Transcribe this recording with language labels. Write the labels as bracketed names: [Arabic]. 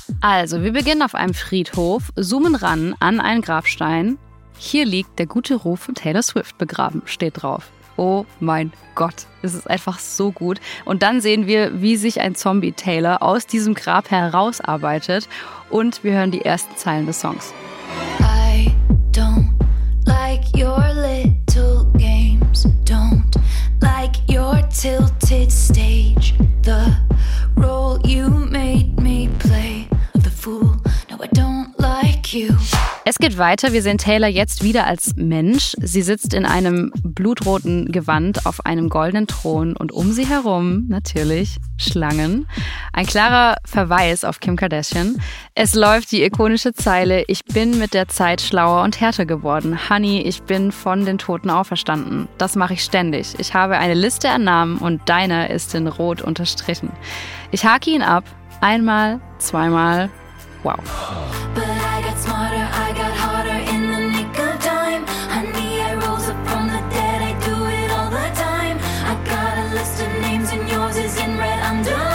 [German] Also, wir beginnen auf einem Friedhof, zoomen ran an einen Grabstein. Hier liegt der gute Ruf von Taylor Swift begraben, steht drauf. Oh mein Gott, es ist einfach so gut. Und dann sehen wir, wie sich ein Zombie Taylor aus diesem Grab herausarbeitet. Und wir hören die ersten Zeilen des Songs. [English] I don't like your little games. Don't like your tilted stage. The role you made me play. The fool, no I don't like you. [German] Es geht weiter. Wir sehen Taylor jetzt wieder als Mensch. Sie sitzt in einem blutroten Gewand auf einem goldenen Thron und um sie herum natürlich Schlangen. Ein klarer Verweis auf Kim Kardashian. Es läuft die ikonische Zeile: Ich bin mit der Zeit schlauer und härter geworden. Honey, ich bin von den Toten auferstanden. Das mache ich ständig. Ich habe eine Liste an Namen und deiner ist in Rot unterstrichen. Ich hake ihn ab. Einmal, zweimal. Wow. [English] Smarter, I got harder in the nick of time. Honey, I rose up from the dead, I do it all the time. I got a list of names and yours is in red under.